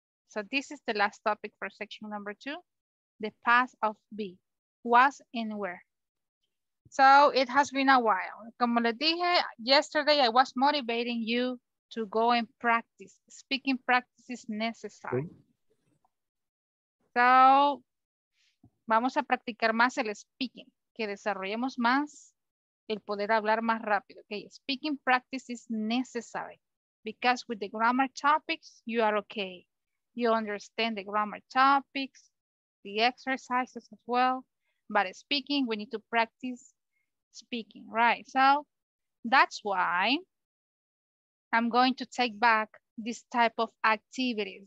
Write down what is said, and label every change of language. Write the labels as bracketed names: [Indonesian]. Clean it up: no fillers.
[English] So this is the last topic for section number 2, the past of be, was and where. So it has been a while. [Spanish] Como les dije, [English] yesterday I was motivating you to go and practice. Speaking practice is necessary. [Spanish] So, vamos a practicar más el speaking, que desarrollemos más el poder hablar más rápido. [English] Okay, speaking practice is necessary because with the grammar topics, you are okay. You understand the grammar topics, the exercises as well, but speaking, we need to practice speaking, right? So, that's why I'm going to take back this type of activities.